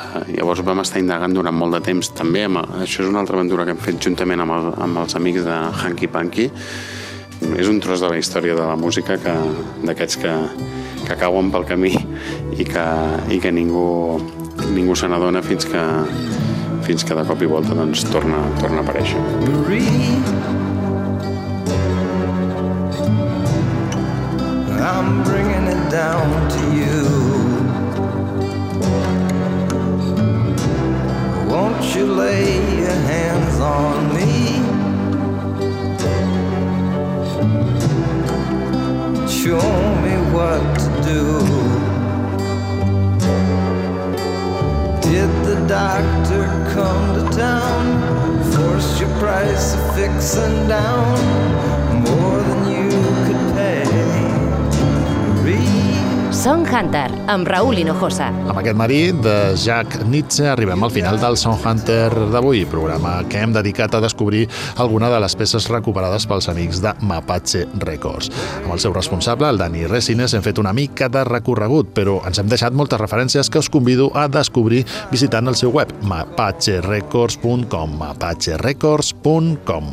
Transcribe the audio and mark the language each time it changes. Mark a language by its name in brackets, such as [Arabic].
[Catalan] Llavors vam estar indagant durant molt de temps també. Això és una altra aventura que hem fet juntament amb els amics de Hanky Panky. És un tros de la història de la música d'aquests que cauen pel camí i que ningú se n'adona fins que de cop i volta, doncs, torna a aparèixer. [English] Marie, I'm bringing it down to you. Won't you lay your hands on me? Show me what to do. Did the doctor come to town? Force your price of fixing down more than you could pay. [Catalan] Son Hunter, amb Raúl Hinojosa. Amb aquest Marí de Jack Nitzsche arribem al final del Son Hunter d'avui, programa que hem dedicat a descobrir alguna de les peces recuperades pels amics de Mapache Records. Amb el seu responsable, el Dani Resines, hem fet una mica de recorregut, però ens hem deixat moltes referències que us convido a descobrir visitant el seu web, mapacherecords.com, mapacherecords.com.